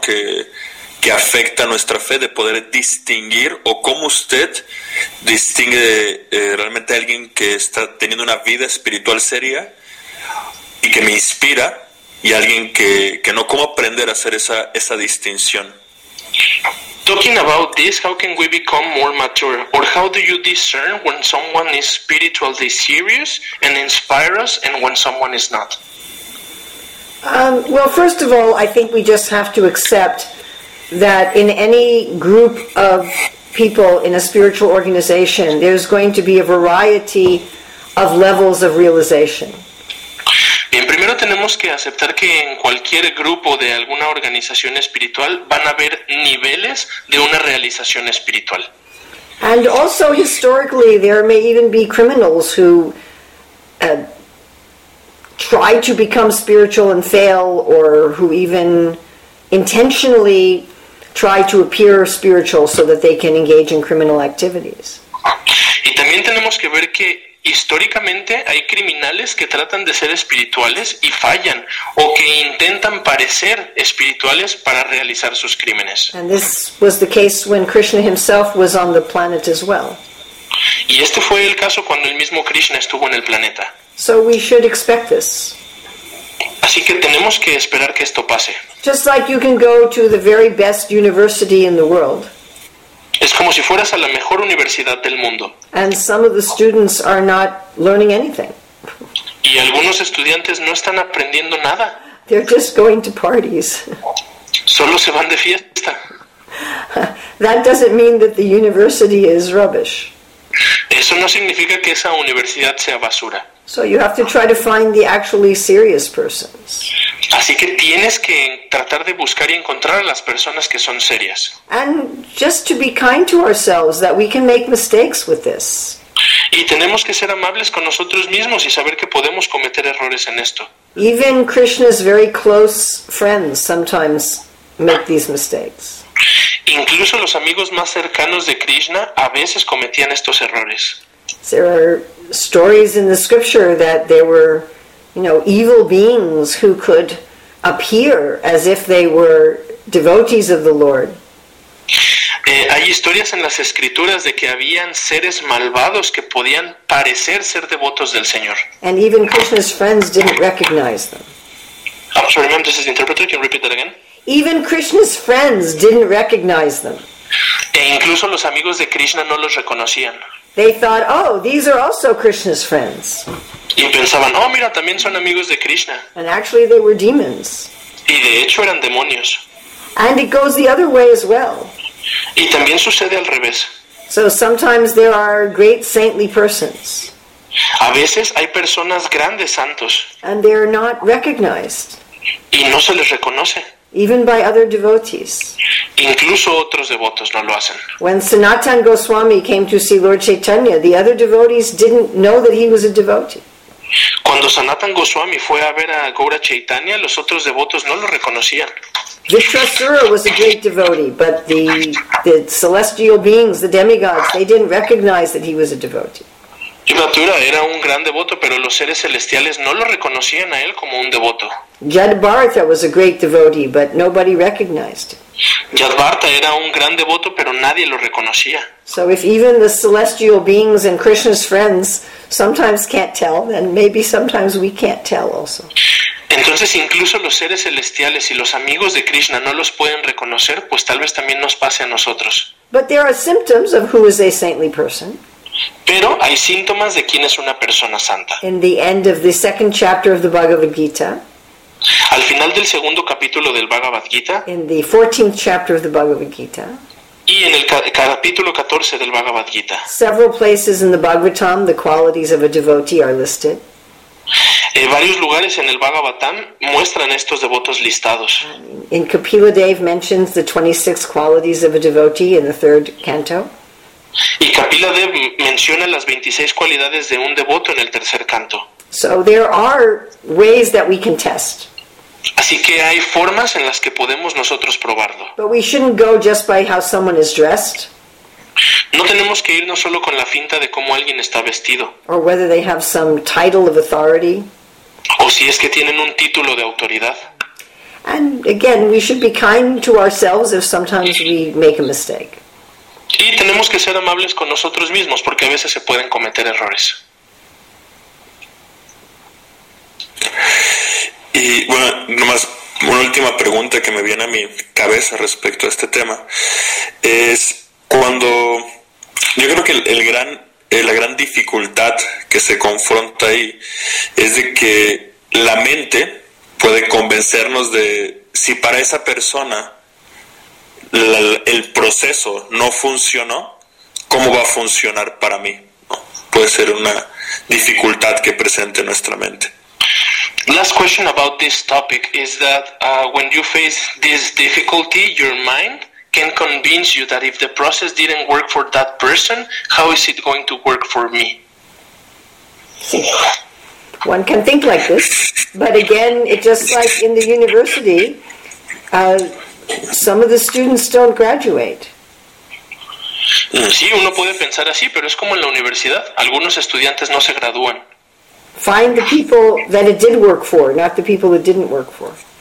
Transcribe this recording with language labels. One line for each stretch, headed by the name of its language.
Spanish: Que afecta a nuestra fe, de poder distinguir, o cómo usted distingue realmente a alguien que está teniendo una vida espiritual seria y que me inspira, y alguien que no, cómo aprender a hacer esa distinción.
English: Talking about this, how can we become more mature? Or how do you discern when someone is spiritually serious and inspires us and when someone is not? Well, first of all, I think we just have to accept that in any group of people in a spiritual organization, there's going to be a variety of levels of realization.
Spanish: Bien, primero tenemos que aceptar que en cualquier grupo de alguna organización espiritual van a haber niveles de una realización espiritual.
English: And also historically there may even be criminals who try to become spiritual and fail, or who even intentionally try to appear spiritual so that they can engage in criminal activities.
Spanish: Y también tenemos que ver que históricamente hay criminales que tratan de ser espirituales y fallan, o que intentan parecer espirituales para realizar sus crímenes.
English: And this was the case when Krishna himself was on the planet as well.
Spanish: Y este fue el caso cuando el mismo Krishna estuvo en el planeta.
English: So we should expect this.
Spanish: Así que tenemos que esperar que esto pase.
English: Just like you can go to the very best university in the world.
Spanish: Es como si fueras a la mejor universidad del mundo.
English: And some of the students are not learning anything.
Spanish: Y algunos estudiantes no están aprendiendo nada.
English: They're just going to parties.
Spanish: Solo se van de fiesta.
English: That doesn't mean that the university is rubbish.
Spanish: Eso no significa que esa universidad sea basura.
English: So you have to try to find the actually serious persons.
Spanish: Así que tienes que tratar de buscar y encontrar a las personas que son serias.
English: And just to be kind to ourselves that we can make mistakes with this.
Spanish: Y tenemos que ser amables con nosotros mismos y saber que podemos cometer errores en esto.
English: Even Krishna's very close friends sometimes make these mistakes.
Spanish: Incluso los amigos más cercanos de Krishna a veces cometían estos errores.
English: There are stories in the scripture that there were, you know, evil beings who could appear as if they were devotees of the Lord.
Spanish: Hay historias en las escrituras de que habían seres malvados que podían parecer ser devotos del Señor.
English: And even Krishna's friends didn't recognize them. I'm sorry, ma'am, this is the interpreter. Can you repeat that again? Even Krishna's friends didn't recognize them.
Spanish: E incluso los amigos de Krishna no los reconocían.
English: They thought, oh, these are also Krishna's friends.
Spanish: Y pensaban, oh, mira, también son amigos de Krishna.
English: And actually they were demons.
Spanish: Y de hecho eran demonios.
English: And it goes the other way as well.
Spanish: Y también sucede al revés.
English: So sometimes there are great saintly persons.
Spanish: A veces hay personas grandes, santos.
English: And they are not recognized.
Spanish: Y no se les reconoce.
English: Even by other devotees.
Spanish: Incluso otros devotos no lo hacen.
English: When Sanatan Goswami came to see Lord Chaitanya, the other devotees didn't know that he was a devotee.
Spanish: Cuando Sanatan Goswami fue a ver a Gaura Chaitanya, los otros devotos no lo reconocían.
English: Vishwasura was a great devotee, but the celestial beings, the demigods, they didn't recognize that he was a devotee.
Spanish: Vishwasura era un gran devoto, pero los seres celestiales no lo reconocían a él como un devoto.
English: Yadbartha was a great devotee, but nobody recognized him.
Spanish: Yadbartha era un gran devoto, pero nadie lo reconocía.
English: So if even the celestial beings and Krishna's friends sometimes can't tell, then maybe sometimes we can't tell also.
Spanish: Entonces incluso los seres celestiales y los amigos de Krishna no los pueden reconocer, pues tal vez también nos pase a nosotros.
English: But there are symptoms of who is a saintly person.
Spanish: Pero hay síntomas de quién es una persona santa.
English: In the end of the second chapter of the Bhagavad Gita.
Spanish: Al final del segundo capítulo del Bhagavad Gita.
English: In the 14th chapter of the Bhagavad Gita.
Spanish: Y en el capítulo 14 del Bhagavad Gita.
English: Several places in the Bhagavatam, the qualities of a devotee are listed.
Spanish: Varios lugares en el Bhagavatam muestran estos devotos listados.
English: In Kapila Dev mentions the 26 qualities of a devotee in the third canto.
Spanish: Y Kapila Dev menciona las 26 cualidades de un devoto en el tercer canto.
English: So there are ways that we can test.
Spanish: Así que hay formas en las que podemos nosotros probarlo.
English: But we shouldn't go just by how someone is dressed.
Spanish: No tenemos que irnos solo con la finta de cómo alguien está vestido.
English: Or whether they have some title of authority.
Spanish: O si es que tienen un título de autoridad.
English: And again, we should be kind to ourselves if sometimes we make a mistake.
Spanish: Y tenemos que ser amables con nosotros mismos porque a veces se pueden cometer errores. Y bueno, nomás Una última pregunta que me viene a mi cabeza respecto a este tema es cuando yo creo que la gran dificultad que se confronta ahí es de que la mente puede convencernos de si para esa persona el proceso no funcionó, ¿cómo va a funcionar para mí? ¿No? Puede ser una dificultad que presente nuestra mente.
English: Last question about this topic is that when you face this difficulty, your mind can convince you that if the process didn't work for that person, how is it going to work for me? One can think like this, but again, it's just like in the university, some of the students don't graduate.
Spanish: Sí, uno puede pensar así, pero es como en la universidad. Algunos estudiantes no se gradúan.
English: Find the people that it did work for, not the people that didn't work for.